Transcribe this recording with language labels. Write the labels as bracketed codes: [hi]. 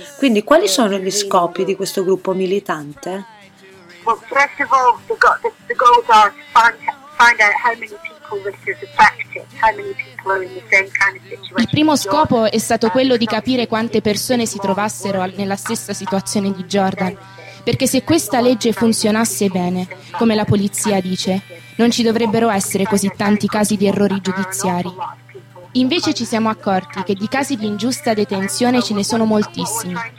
[it] Quindi quali sono gli scopi di questo gruppo militante? [en] Well, first of all, the goals are to find out how many people this has affected, how many people. [it] Il primo scopo è stato quello di capire quante persone si trovassero nella stessa situazione di Jordan, perché se questa legge funzionasse bene, come la polizia dice, non ci dovrebbero essere così tanti casi di errori giudiziari. Invece ci siamo accorti che di casi di ingiusta detenzione ce ne sono moltissimi.